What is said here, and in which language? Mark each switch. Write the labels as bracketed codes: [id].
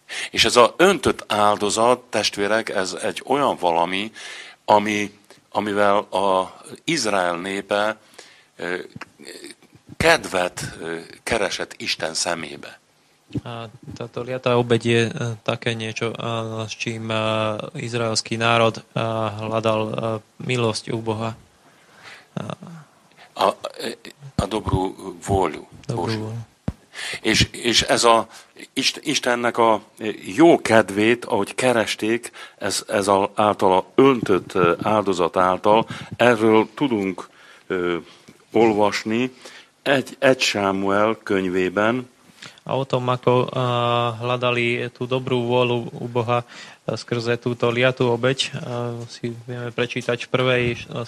[hu] És ez a öntött áldozat, testvérek, ez egy olyan valami, amivel a Izrael népe kedvet keresett Isten szemébe. [sk] A táto liata obeď je také niečo, s čím izraelský národ hľadal milosť u Boha. A dobrú vôľu. Dobrú vôľu. [hu] És ez a Istennek a jó kedvét, ahogy keresték, ez által a öntött áldozat által, erről tudunk olvasni egy Sámuel könyvében. [sk] A o tom, ako hľadali tú dobrú vôľu u Boha skrze túto liatú obeť, si vieme prečítať v 1.